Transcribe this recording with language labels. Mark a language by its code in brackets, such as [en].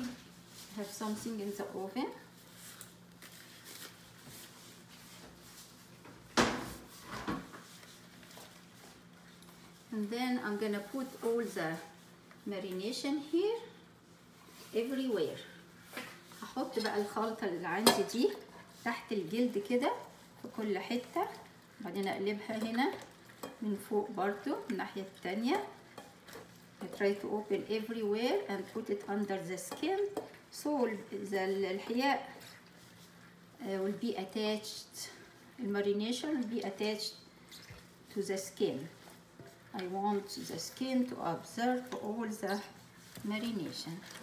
[en] I have something in the oven. And then I'm gonna put all the marination here everywhere. [ar] هحط بقى الخلطة اللي عندي دي تحت الجلد كده في كل حتة. بعدين اقلبها هنا من فوق برضو الناحية التانية. [en] I try to open everywhere and put it under the skin so the الحياء will be attached, the marination will be attached to the skin. I want the skin to absorb all the marination.